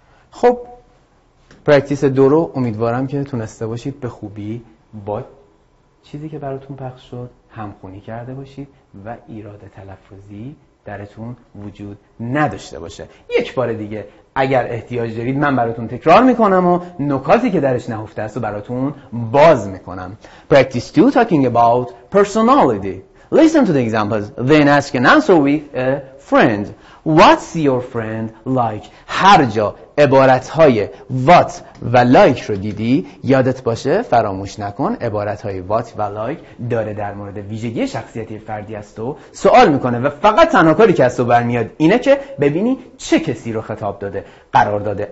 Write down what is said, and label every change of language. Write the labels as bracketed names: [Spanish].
[Persian] خب پرکتیس دو رو امیدوارم که تونسته باشید به خوبی با چیزی که براتون پخش شد همخونی کرده باشید و ایراد تلفظی درتون وجود نداشته باشه. یک بار دیگه اگر احتیاج دارید من براتون تکرار میکنم و نکاتی که درش نهفته است رو براتون باز میکنم. [English] Practice 2 talking about personality. Listen to the examples, then ask and answer with a friend. What's your friend like? [Persian] هر جا عبارتهای what و like رو دیدی یادت باشه فراموش نکن عبارتهای what و like داره در مورد ویژگی شخصیتی فردی است و سوال میکنه و فقط تنها کاری که از تو برمیاد اینه که ببینی چه کسی رو خطاب داده قرار داده.